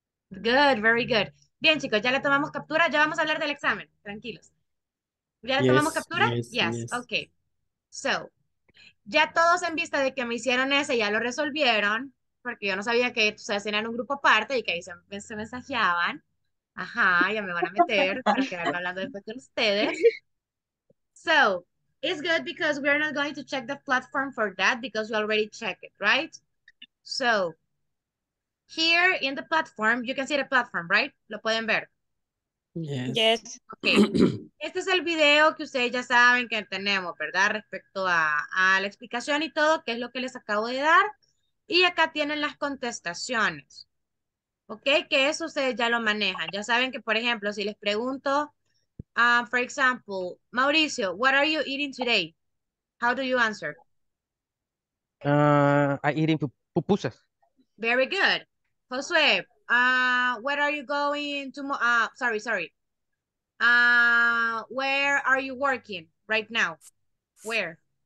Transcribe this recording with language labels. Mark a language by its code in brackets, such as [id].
[en] Good, very good. [es] Bien, chicos, ya le tomamos captura. Ya vamos a hablar del examen. Tranquilos. ¿Ya le [en] Yes, [es] tomamos captura? [en] Yes, yes. Ok. [es] So, ya todos en vista de que me hicieron ese, ya lo resolvieron, porque yo no sabía que ustedes eran un grupo aparte y que ahí se mensajeaban. Ajá, ya me van a meter para quedarme hablando después con ustedes. [en] So, it's good because we are not going to check the platform for that because we already checked it, right? So, here in the platform, you can see the platform, right? [es] ¿Lo pueden ver? [en] Yes. Yes. Okay. [es] Este es el video que ustedes ya saben que tenemos, ¿verdad? Respecto a la explicación y todo, que es lo que les acabo de dar. Y acá tienen las contestaciones. ¿Ok? Que eso ustedes ya lo manejan. Ya saben que, por ejemplo, si les pregunto... [en] for example, Mauricio, what are you eating today? How do you answer? I'm eating pupusas. Very good. Josué, where are you going tomorrow? Sorry. Where are you working right now? Where?